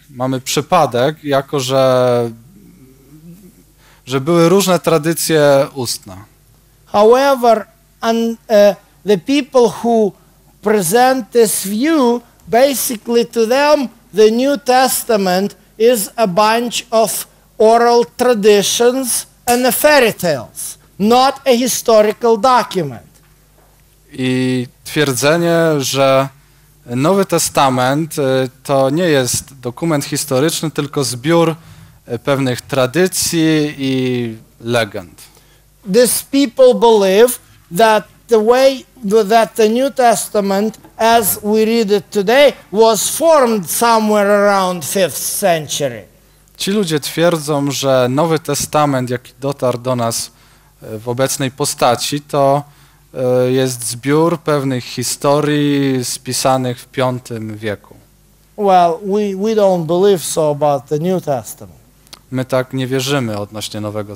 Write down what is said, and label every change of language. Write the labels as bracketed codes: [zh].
[pl] Mamy przypadek, jako że były różne tradycje ustne. [en] However, and the people who present this view, basically to them, the New Testament is a bunch of oral traditions and fairy tales, not a historical document. [pl] I twierdzenie, że Nowy Testament to nie jest dokument historyczny, tylko zbiór pewnych tradycji i legend. [en] These people believe that the way that the New Testament, as we read it today, was formed somewhere around 5th century. [pl] Ci ludzie twierdzą, że Nowy Testament, jaki dotarł do nas w obecnej postaci, to jest zbiór pewnych historii spisanych w V wieku. [en] Well, we don't believe so about the New Testament. [pl] My tak nie wierzymy odnośnie Nowego